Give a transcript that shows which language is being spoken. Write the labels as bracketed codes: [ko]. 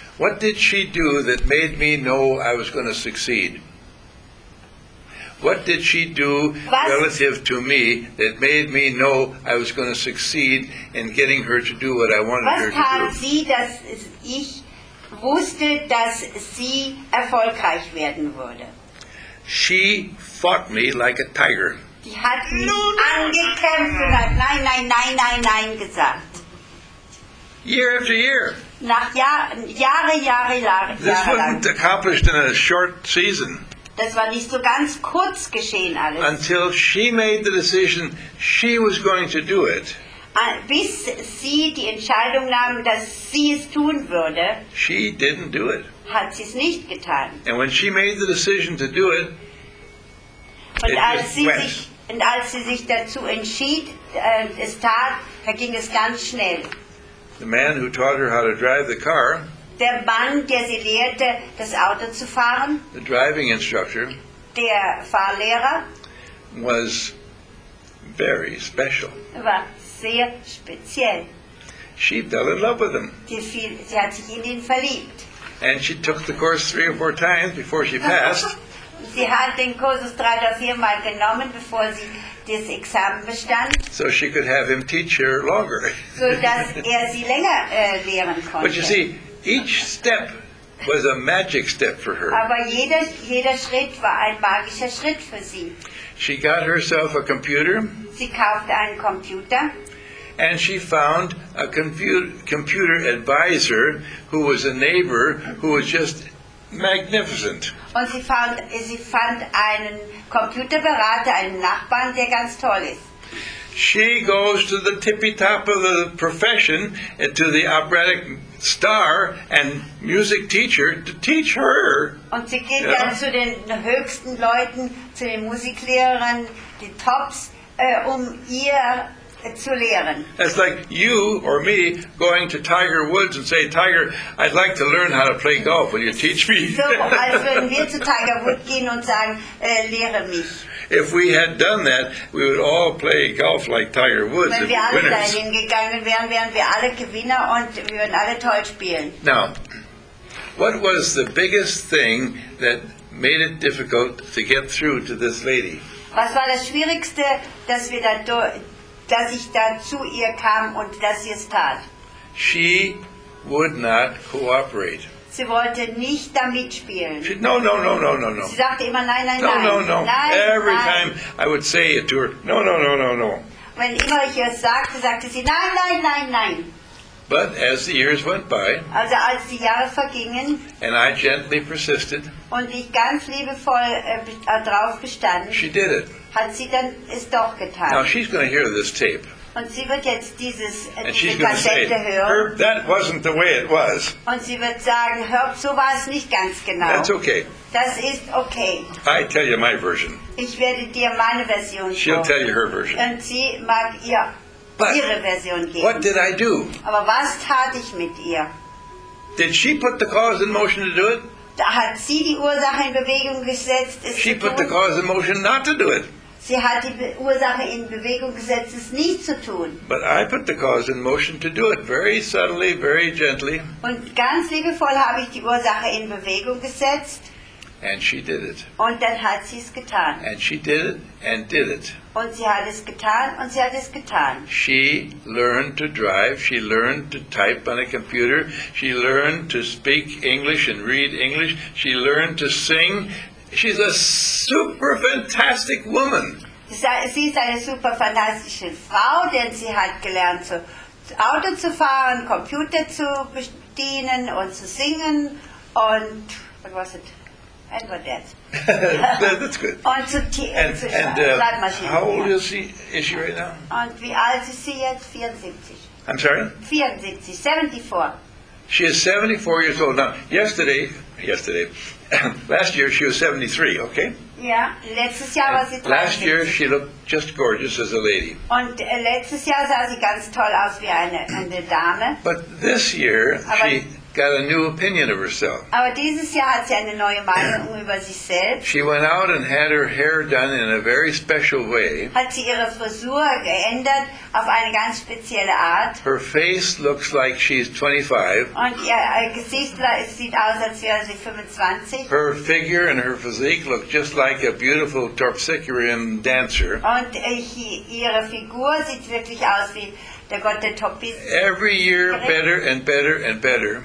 [en] What did she do that made me know I was going to succeed? What did she do relative to me that made me know I was going to succeed in getting her to do what I wanted her to do? [de] Was tat sie, dass ich wusste, dass sie erfolgreich werden würde? [en] She fought me like a tiger. [de] Die hat mich angekämpft und hat nein, nein, nein, nein, nein gesagt. [en] Year after year. [de] Nach Jahre. [en] This wasn't accomplished in a short season. [de] Das war nicht so ganz kurz geschehen alles. [en] Until she made the decision she was going to do it. [de] Bis sie die Entscheidung nahm, dass sie es tun würde. [en] She didn't do it. [de] Hat sie es nicht getan. [en] And when she made the decision to do it. [de] Und als sie sich dazu entschied, es tat, da ging es ganz schnell. [en] The man who taught her how to drive the car. [de] Der Mann, der sie lehrte, das Auto zu fahren. [en] The driving instructor. [de] Der Fahrlehrer. [en] Was very special. [de] War sehr speziell. [en] She fell in love with him. [de] Sie hat sich in ihn verliebt. [en] And she took the course 3 or 4 times before she passed. [de] Sie hat den Kurs 3 oder 4 Mal genommen, bevor sie das Examen bestand. [en] So she could have him teach her longer. [de] So dass er sie länger lehren konnte. [en] But you see, each step was a magic step for her. [de] Aber jeder Schritt war ein magischer Schritt für sie. [en] She got herself a computer. [de] Sie kaufte einen Computer. [en] And she found a computer advisor who was a neighbor who was just magnificent. [de] Und sie fand einen Computerberater, einen Nachbarn, der ganz toll ist. [en] She goes to the tippy top of the profession, to the operatic star and music teacher to teach her. [de] Und sie geht dann zu den höchsten Leuten, zu den Musiklehrern, die Tops, um ihr zu lehren. [en] It's like you or me going to Tiger Woods and say, Tiger, I'd like to learn how to play golf. Will you teach me? [de] So, als würden wir zu Tiger Woods gehen und sagen, lehre mich. [en] If we had done that, we would all play golf like Tiger Woods. [de] Wenn wir alle dahin gegangen wären, wären wir alle Gewinner und wir würden alle toll spielen. [en] Now, what was the biggest thing that made it difficult to get through to this lady? [de] Was war das Schwierigste, dass wir dass ich da zu ihr kam und dass sie es tat? [en] She would not cooperate. [de] Sie wollte nicht da mitspielen. [en] No. [de] Sie sagte immer nein, nein, [en] no, [de] nein. [en] No. [de] Nein, [en] every [de] nein. [en] Time I would say it to her, no. [de] Wenn immer ich es sagte, sagte sie nein, nein, nein, nein. [en] But as the years went by, [de] also als die Jahre vergingen, [en] and I gently persisted, [de] und ich ganz liebevoll drauf bestand, [en] she did it. [de] Hat sie dann es doch getan. [en] Now she's going to hear this tape. [de] Und sie wird jetzt dieses [en] and she's going to say, Herb, that wasn't the way it was. [de] Und sie wird sagen, Herb, so war es nicht ganz genau. [en] That's okay. [de] Das ist okay. [en] I tell you my version. [de] Ich werde dir meine Version geben. [en] She'll tell you her version. [de] Und sie mag ihre Version geben. [en] What did I do? [de] Aber was tat ich mit ihr? [en] Did she put the cause in motion to do it? [de] Da hat sie die Ursache in Bewegung gesetzt, es [en] she put the cause in motion not to do it. [de] Sie hat die Ursache in Bewegung gesetzt, es nicht zu tun. [en] But I put the cause in motion to do it, very subtly, very gently. [de] Und ganz liebevoll habe ich die Ursache in Bewegung gesetzt. [en] And she did it. [de] Und dann hat sie es getan. [en] And she did it and did it. [de] Und sie hat es getan und sie hat es getan. [en] She learned to drive, she learned to type on a computer, she learned to speak English and read English, she learned to sing. She's a super fantastic woman. [de] Sie ist eine super fantastische Frau, denn sie hat gelernt, zu Auto zu fahren, Computer zu bedienen und zu singen und [en] what was it? Edward, that's good. [de] Und zu Schreibmaschinen. [en] How old is she right now? [de] Und wie alt ist sie jetzt? [en] 74. I'm sorry? 74. She is 74 years old. Now, yesterday, yesterday. Last year she was 73, okay? [de] Yeah, letztes Jahr war sie 73. [en] Last year she looked just gorgeous as a lady. [de] Und letztes Jahr sah sie ganz toll aus wie eine Dame. [en] But this year she got a new opinion of herself. [de] Aber dieses Jahr hat sie eine neue Meinung über sich selbst. [en] She went out and had her hair done in a very special way. [de] Hat sie ihre Frisur geändert auf eine ganz spezielle Art. [en] Her face looks like she's 25. [de] Und ihr Gesicht sieht aus, als wäre sie 25. [en] Her figure and her physique look just like a beautiful Terpsichorean dancer. [de] Und ihre Figur sieht wirklich aus wie der Gott der Topis. [en] Every year better and better and better.